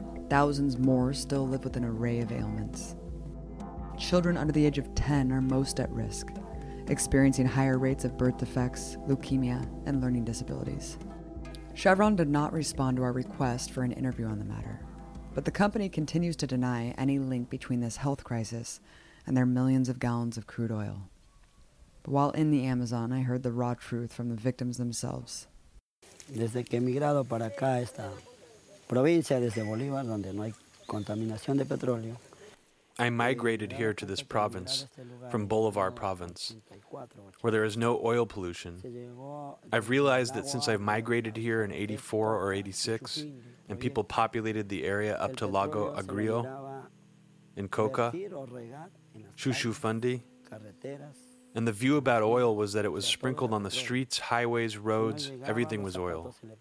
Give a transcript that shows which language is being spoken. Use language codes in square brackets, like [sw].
[en] Thousands more still live with an array of ailments. Children under the age of 10 are most at risk, experiencing higher rates of birth defects, leukemia, and learning disabilities. Chevron did not respond to our request for an interview on the matter, but the company continues to deny any link between this health crisis and their millions of gallons of crude oil. But while in the Amazon, I heard the raw truth from the victims themselves. [es] Desde que emigrado para acá, esta provincia, desde Bolívar, donde no hay contaminación de petróleo. [en] I migrated here to this province from Bolivar province, where there is no oil pollution. I've realized that since I've migrated here in 84 or 86, and people populated the area up to Lago Agrio, in Coca, Chuchufundi, and the view about oil was that it was sprinkled on the streets, highways, roads, everything was oil.